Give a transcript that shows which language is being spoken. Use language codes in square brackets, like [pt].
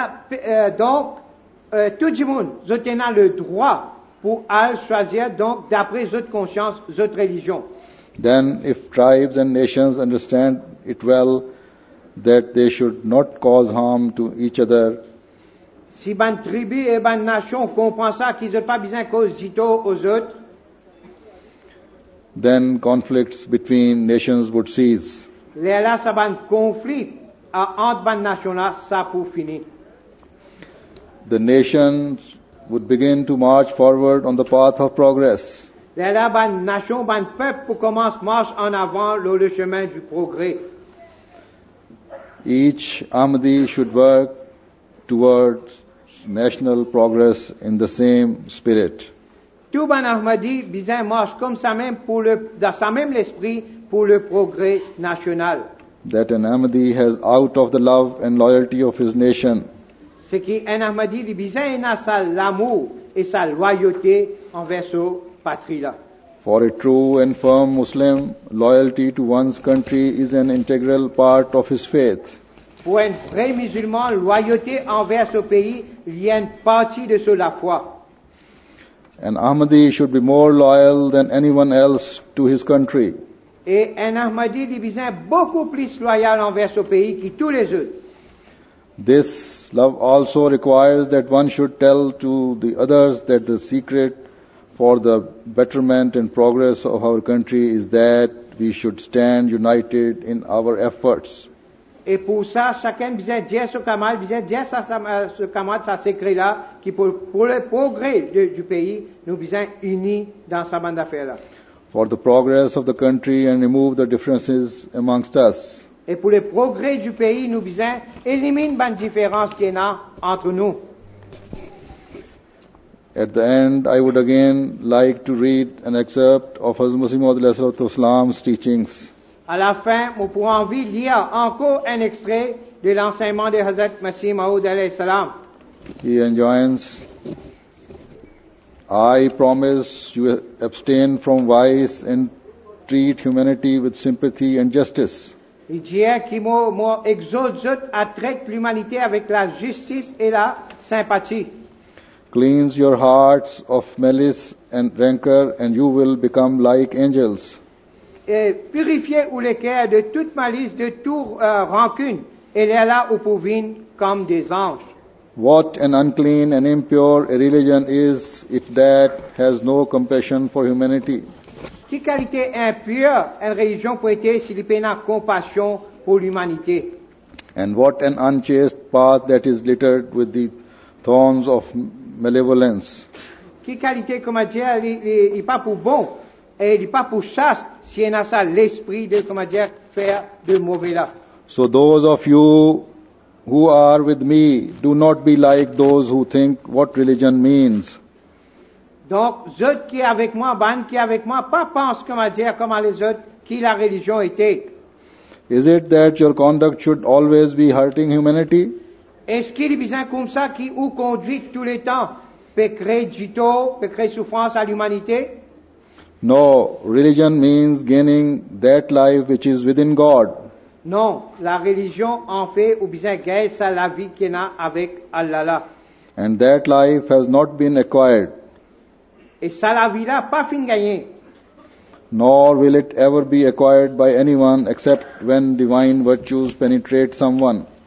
[fr] Tout le monde a le droit pour aller choisir donc d'après votre conscience, votre religion. [en] Then, if tribes and nations understand it well, that they should not cause harm to each other. [fr] Si ban tribu et ban nation comprend ça qu'ils n'ont pas besoin de cause dito aux autres. [en] Then conflicts between nations would cease. [fr] Les là ça ban conflit entre ban nation là ça pour finir. [en] The nations would begin to march forward on the path of progress. [fr] Les là ban nation ban peuple pour commence marche en avant le chemin du progrès. [en] Each Ahmadi should work towards national progress in the same spirit. [fr] Tout ban Ahmadi bien marche comme ça même pour le dans sa même l'esprit pour le progrès national. [en] That an Ahmadi has out of the love and loyalty of his nation. [fr] Ce qui un Ahmadi lui bien a sa l'amour et sa loyauté envers sa patrie là. [en] For a true and firm Muslim, loyalty to one's country is an integral part of his faith. [fr] Pour un vrai musulman, loyauté envers son pays vient partie de sa foi. [en] An Ahmadi should be more loyal than anyone else to his country. [fr] Et un Ahmadi est beaucoup plus loyal envers son pays que tous les autres. [en] This love also requires that one should tell to the others that the secret for the betterment and progress of our country is that we should stand united in our efforts. [fr] Et pour ça, chacun besoin dire ce camarade, besoin dire ça, ce camarade, ça secret là, qui pour le progrès du pays, nous besoin unis dans sa bande d'affaires là. [en] For the progress of the country and remove the differences amongst us. [fr] Et pour le progrès du pays, nous besoin éliminer les différences qu'il y a entre nous. [en] At the end, I would again like to read an excerpt of Hazrat Masih Maud alayhi salatu wasalam's teachings. [fr] À la fin, on pourra envie lire encore un extrait de l'enseignement de Hazrat Masih Maud alayhi salam. [en] He enjoins, I promise you abstain from vice and treat humanity with sympathy and justice. [fr] Il dit qu'il m'exhorte à traiter l'humanité avec la justice et la sympathie. [en] Cleanse your hearts of malice and rancor and you will become like angels. [fr] Et purifiez les cœurs de toute malice, de toute rancune, et les là où pouvin comme des anges. [en] What an unclean and impure a religion is if that has no compassion for humanity. [fr] Qui qualité impure une religion peut être s'il n'y a pas compassion pour l'humanité. [en] And what an unchaste path that is littered with the thorns of malevolence. [fr] Qui qualité, comme dire, il n'est pas pour bon, et il n'est pas pour chaste si en a ça l'esprit de comment dire faire de mauvais là. [en] So those of you who are with me, do not be like those who think what religion means. [fr] Donc, ceux qui sont avec moi, ban qui est avec moi, pas pensent comment dire comment les autres qui la religion était. [en] Is it that your conduct should always be hurting humanity? [fr] Est-ce qu'il est bien comme ça qui vous conduit tous les temps, peut créer souffrance à l'humanité? [en] No, religion means gaining that life which is within God. [fr] Non, la religion en fait ou bien gagne ça la vie qu'il a avec Allah. [en] And that life has not been acquired. [fr] Et ça la vie là pas fin gagné. [en] Nor will it ever be acquired by anyone except when divine virtues penetrate someone.